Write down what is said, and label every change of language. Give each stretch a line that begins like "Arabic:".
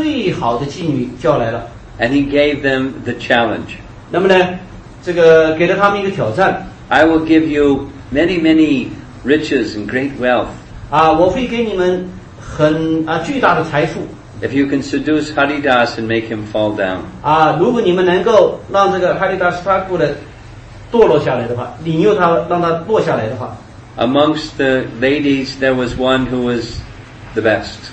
Chinese: 他就把那个地区最好的妓女叫来了。
English: And he gave them the challenge.
Chinese: 那么呢，这个给了他们一个挑战。
English: I will give you many, many riches and great wealth.
Chinese: 我会给你们很巨大的财富。
English: If you can seduce Haridas and make him fall down.
Chinese: 如果你们能够让这个哈里达斯塔库堕落下来的话，引诱他让他落下来的话。
English: Amongst the ladies, there was one who was the best.